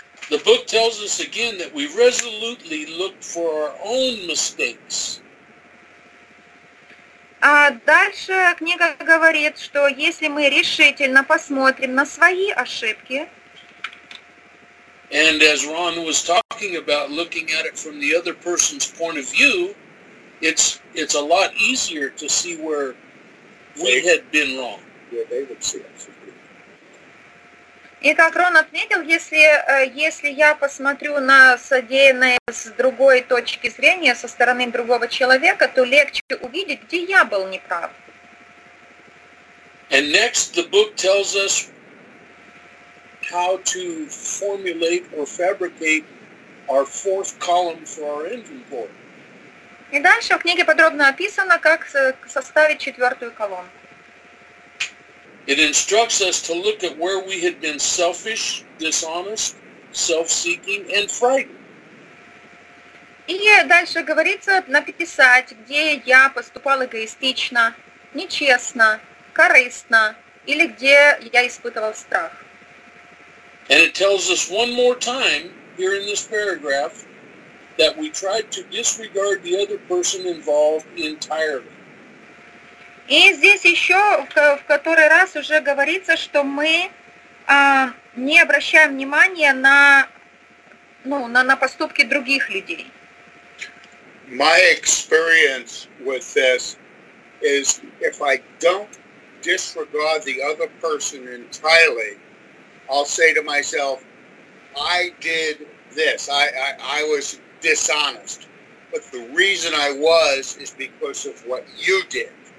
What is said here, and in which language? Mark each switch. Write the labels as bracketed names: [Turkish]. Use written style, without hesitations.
[English] The book tells us again that we resolutely look for our own mistakes. [Russian] А дальше книга говорит, что если мы решительно посмотрим на свои ошибки [English] And as Ron was talking about looking at it from the other person's point of view, it's a lot easier to see where we had been wrong. Yeah, they would see us. [Russian] И как Рон отметил, если я посмотрю на содеянное с другой точки зрения, со стороны другого человека, то легче увидеть, где я был неправ. [English] And next the book tells us how to formulate or fabricate our fourth column for our inventory. [Russian] И дальше в книге подробно описано, как составить четвертую колонку. [English] It instructs us to look at where we had been selfish, dishonest, self-seeking, and frightened. [Russian] И дальше говорится написать, где я поступал эгоистично, нечестно, корыстно, или где я испытывал страх. [English] And it tells us one more time, here in this paragraph, that we tried to disregard the other person involved entirely. [Russian] И здесь еще в который раз уже говорится, что мы не обращаем внимания на, ну, на поступки других людей. [English] My experience with this is if I don't disregard the other person entirely, I'll say to myself, I did this, I was dishonest, but the reason I was is because of what you did.